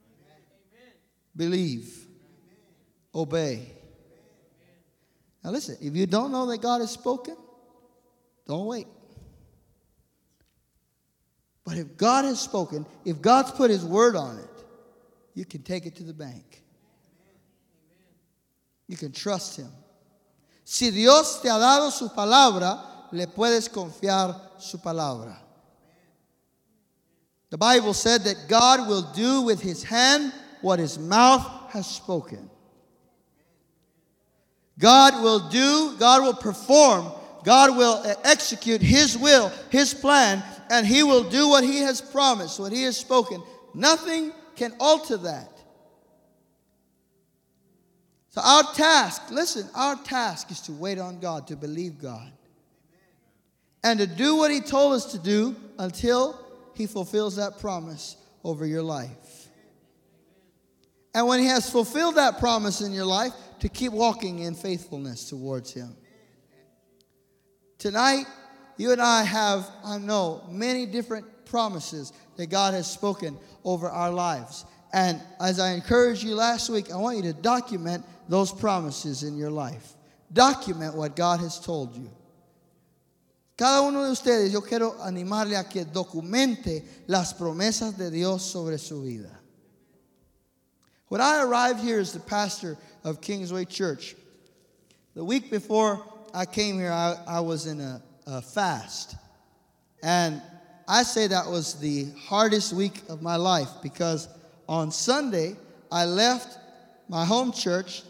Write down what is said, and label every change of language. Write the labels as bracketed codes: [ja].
[en] Amen. Believe. Amen. Obey. Amen. Now listen, if you don't know that God has spoken, don't wait. But if God has spoken, if God's put His word on it, you can take it to the bank. Amen. You can trust Him. [es] Si Dios te ha dado su palabra, le puedes confiar su palabra. [en] The Bible said that God will do with His hand what His mouth has spoken. God will perform, God will execute His will, His plan, and He will do what He has promised, what He has spoken. Nothing can alter that. So our task is to wait on God, to believe God, and to do what He told us to do until He fulfills that promise over your life. And when He has fulfilled that promise in your life, to keep walking in faithfulness towards Him. Tonight, you and I have, I know, many different promises that God has spoken over our lives. And as I encouraged you last week, I want you to document those promises in your life. Document what God has told you. [es] Cada uno de ustedes, yo quiero animarle a que documente las promesas de Dios sobre su vida. [en] When I arrived here as the pastor of Kingsway Church, the week before I came here, I was in a fast. And I say that was the hardest week of my life because on Sunday, I left my home church.